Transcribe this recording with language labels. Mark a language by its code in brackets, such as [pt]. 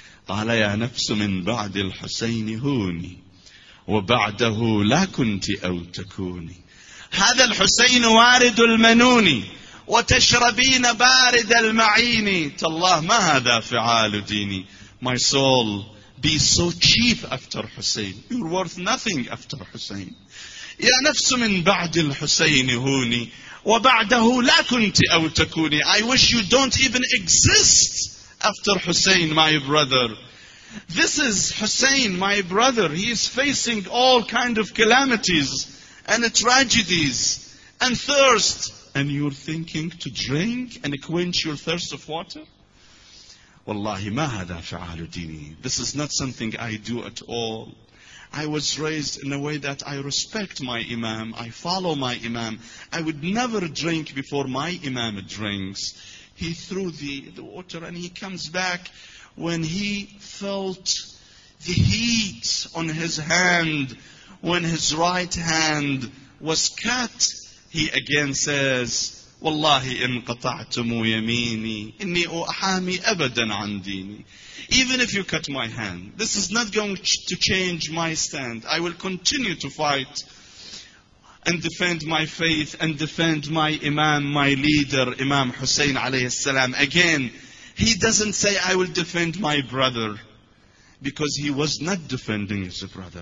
[ar] قال يا نفس من بعد الحسين هوني وبعده لا كنت أو تكوني هذا الحسين وارد المنون وتشربين بارد المعين تالله ما هذا فعال ديني. [en] My soul, be so cheap after Hussein. You're worth nothing after Hussein. [ar] يا نفس من بعد الحسين هوني وبعده لا كنت أو تكوني. [en] I wish you don't even exist after Hussein, my brother. This is Hussein, my brother. He is facing all kind of calamities and tragedies and thirst. And you're thinking to drink and quench your thirst of water? [ar] والله ما هذا فعال ديني. [en] This is not something I do at all. I was raised in a way that I respect my imam. I follow my imam. I would never drink before my imam drinks. He threw the water and he comes back when he felt the heat on his hand, when his right hand was cut. He again says, [ar] وَاللَّهِ إِنْ قَطَعْتُمُ يَمِينِي إِنِّي أُحَامِي أَبَدًا عَنْ دِينِي. [en] Even if you cut my hand, this is not going to change my stand. I will continue to fight and defend my faith and defend my imam, my leader, Imam Hussein alayhi salam. Again, he doesn't say, I will defend my brother, because he was not defending his brother.